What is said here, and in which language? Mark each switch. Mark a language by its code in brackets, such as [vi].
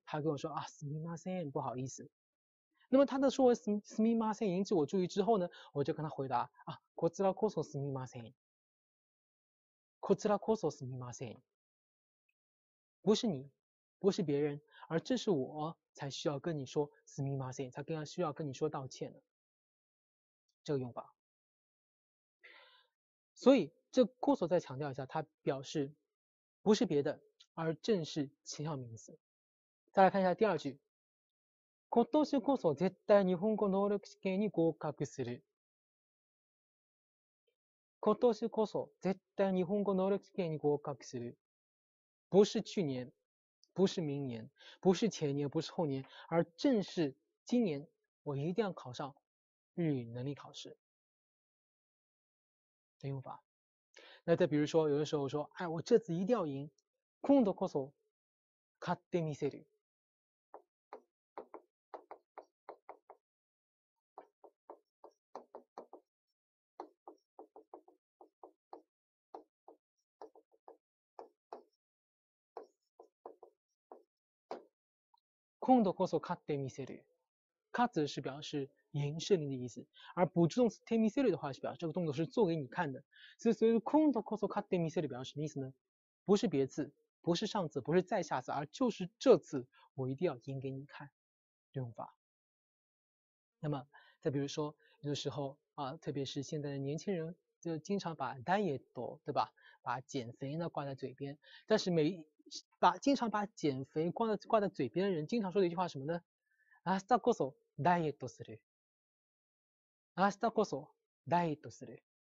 [zh] 他跟我说啊すみません不好意思。那么他的说すみません引起我注意之后呢，我就跟他回答啊 [ja] こちらこそすみません， [zh] こちらこそすみません，不是你，不是别人，而这是我才需要跟你说すみません，才更加需要跟你说道歉的，这个用法。所以这こそ再强调一下，它表示不是别的，而正是前向名词。再来看一下第二句， [ja] 今年こそ絶対日本語能力試験に合格する。今年こそ絶対日本語能力試験に合格する。 [zh] 不是去年，不是明年，不是前年，不是后年，而正是今年，我一定要考上日语能力考试。的用法。那再比如说，有的时候说，哎，我这次一定要赢。 [ja] 今度こそ勝ってみせる。今度こそ勝ってみせる。 [zh] 勝つ是表示赢胜利的意思，而补助动词てみせる的话是表示这个动作是做给你看的。所以 [ja] 今度こそ勝ってみせる [zh] 表示什么意思呢？不是别次，不是上次，不是再下次，而就是这次我一定要赢给你看，这种法。那么再比如说有的时候啊，特别是现在的年轻人就经常把 diet 对吧，把减肥呢挂在嘴边，但是经常把减肥挂在嘴边的人经常说的一句话什么呢？ [ja] 明日こそダイエットする。明日こそダイエットする。